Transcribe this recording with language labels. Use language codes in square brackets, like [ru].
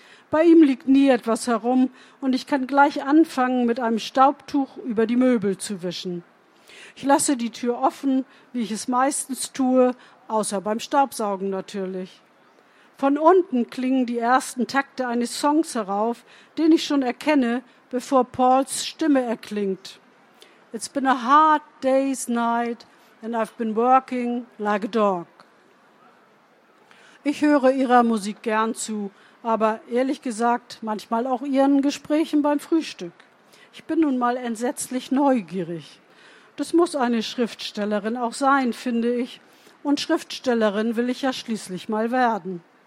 [de] Bei ihm liegt nie etwas herum und ich kann gleich anfangen, mit einem Staubtuch über die Möbel zu wischen. Ich lasse die Tür offen, wie ich es meistens tue, außer beim Staubsaugen natürlich. Von unten klingen die ersten Takte eines Songs herauf, den ich schon erkenne, bevor Pauls Stimme erklingt. [en] It's been a hard day's night and I've been working like a dog. [de] Ich höre ihrer Musik gern zu, aber ehrlich gesagt manchmal auch ihren Gesprächen beim Frühstück. Ich bin nun mal entsetzlich neugierig. Das muss eine Schriftstellerin auch sein, finde ich. Und Schriftstellerin will ich ja schließlich mal werden.